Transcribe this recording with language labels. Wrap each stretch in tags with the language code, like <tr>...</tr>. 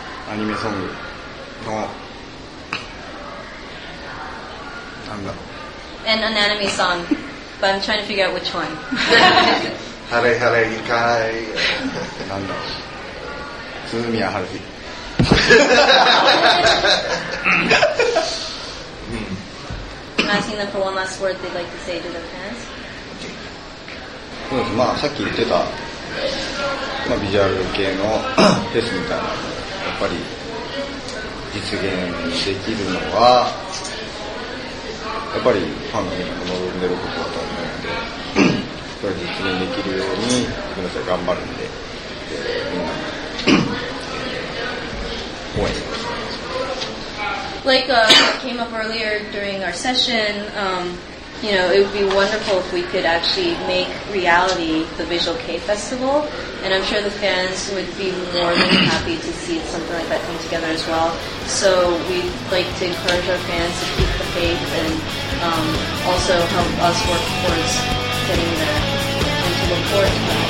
<ja>アニメソングの何だろう</ja> <en>and an anime song but I'm trying to figure out which one</en> <ja>ハレハレイカイ何だろう鈴宮春日</ja> <en>I'm asking them for one last word they'd like to say to their fans</en> <ja>そうです、まあ、さっき言ってた、まあ、ビジュアル系のフェスみたいなやっぱり実現できるのはやっぱりファンの皆さんが望んでることだと思うのでそれ実現できるように皆さん頑張るんで、みんな応援します</ja> <en>Like came up earlier during our session、you know, it would be wonderful if we could actually make reality the Visual K Festival, and I'm sure the fans would be more than happy to see something like that come together as well. So we'd like to encourage our fans to keep the faith and also help us work towards getting there and to look forward to that.</en>